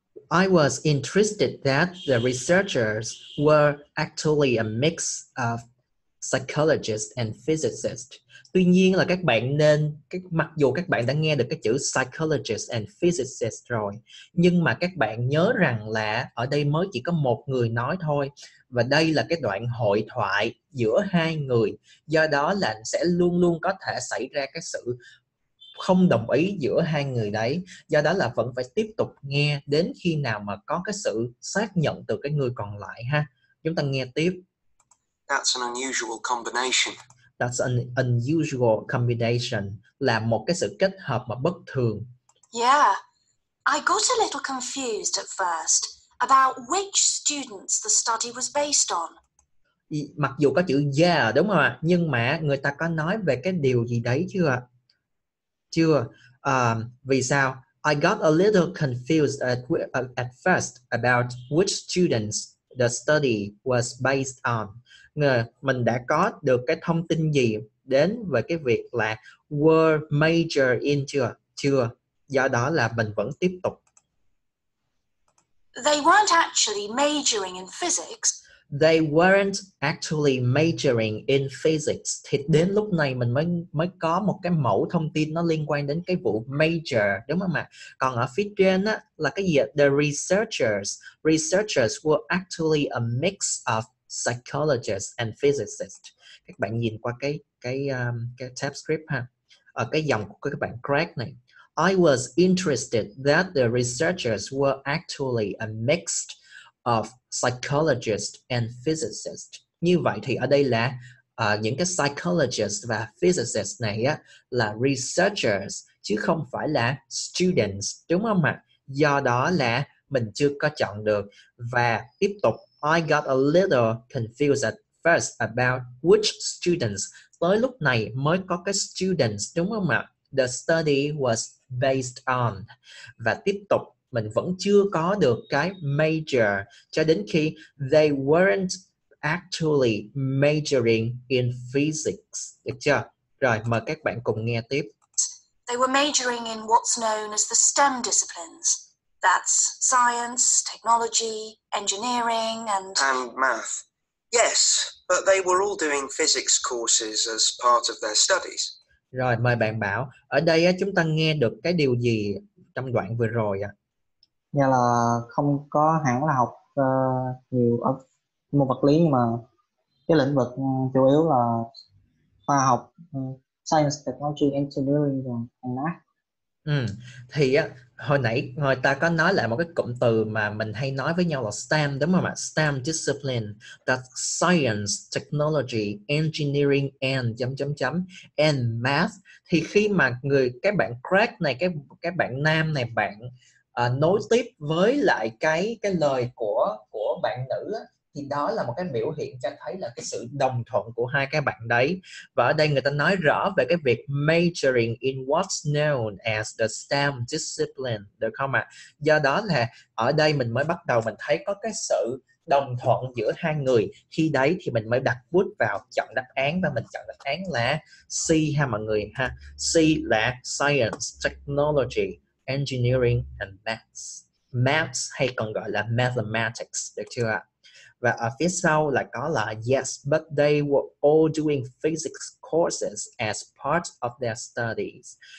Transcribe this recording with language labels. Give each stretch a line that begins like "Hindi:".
English: I was interested that the researchers were actually a mix of psychologists and physicists.
Vietnamese: Tuy nhiên là các bạn nên, cái mặc dù các bạn đã nghe được cái chữ
English: psychologist and physicist
Vietnamese: rồi, nhưng mà các bạn nhớ rằng là ở đây mới chỉ có một người nói thôi, và đây là cái đoạn hội thoại giữa hai người, do đó là sẽ luôn luôn có thể xảy ra cái sự không đồng ý giữa hai người đấy, do đó là vẫn phải tiếp tục nghe đến khi nào mà có cái sự xác nhận từ cái người còn lại ha. Chúng ta nghe tiếp.
English: That's an unusual combination. That's an unusual combination.
Vietnamese: Là một cái sự kết hợp mà bất thường.
English: Yeah. I got a little confused at first about which students the study was based on.
Vietnamese: Mặc dù có chữ yeah đúng không ạ? Nhưng mà người ta có nói về cái điều gì đấy chưa? Chưa. Vì sao?
English: I got a little confused at first about which students the study was based on.
Vietnamese: Mình đã có được cái thông tin gì đến về cái việc là
English: were major in
Vietnamese: chưa? Chưa. Do đó là mình vẫn tiếp tục.
English: They weren't actually majoring in physics. They weren't actually majoring in physics.
Vietnamese: Thì đến lúc này mình mới có một cái mẫu thông tin nó liên quan đến cái vụ major, đúng không ạ? Còn ở phía trên á, là cái gì?
English: The researchers. Researchers were actually a mix of psychologists and physicists.
Vietnamese: Các bạn nhìn qua cái tab script ha. Ở cái dòng của các bạn crack này.
English: I was interested that the researchers were actually a mixed of psychologist and physicist.
Vietnamese: Như vậy thì ở đây là những cái psychologist và physicist này á, là researchers chứ không phải là students, đúng không ạ? Do đó là mình chưa có chọn được. Và tiếp tục,
English: I got a little confused at first about which students.
Vietnamese: Tới lúc này mới có cái students, đúng không ạ?
English: The study was based on.
Vietnamese: Và tiếp tục, mình vẫn chưa có được cái major cho đến khi
English: they weren't actually majoring in physics.
Vietnamese: Được chưa? Rồi, mời các bạn cùng nghe tiếp.
English: They were majoring in what's known as the STEM disciplines. That's science, technology, engineering and math. Yes, but they were all doing physics courses as part of their studies.
Vietnamese: Rồi, mời bạn Bảo. Ở đây chúng ta nghe được cái điều gì trong đoạn vừa rồi ạ? Nghĩa là không có hẳn là học nhiều ở môn vật lý, nhưng mà cái lĩnh vực chủ yếu là khoa học,
English: science, technology, engineering
Vietnamese: và math. Ừ, thì hồi nãy người ta có nói lại một cái cụm từ mà mình hay nói với nhau là STEM, đúng không ạ?
English: STEM discipline, that's science, technology, engineering and and math.
Vietnamese: Thì khi mà người các bạn crack này, các bạn nam này, bạn nối tiếp với lại cái lời của bạn nữ á, thì đó là một cái biểu hiện cho thấy là cái sự đồng thuận của hai cái bạn đấy. Và ở đây người ta nói rõ về cái việc
English: majoring in what's known as the STEM discipline,
Vietnamese: được không ạ? Do đó là ở đây mình mới bắt đầu mình thấy có cái sự đồng thuận giữa hai người. Khi đấy thì mình mới đặt bút vào chọn đáp án, và mình chọn đáp án là C ha mọi người ha.
English: C là science, technology, engineering and maths.
Vietnamese: Maths hay còn gọi là mathematics, được chưa ạ? Và ở phía sau lại có là
English: yes, but they were all doing physics courses as part of their studies.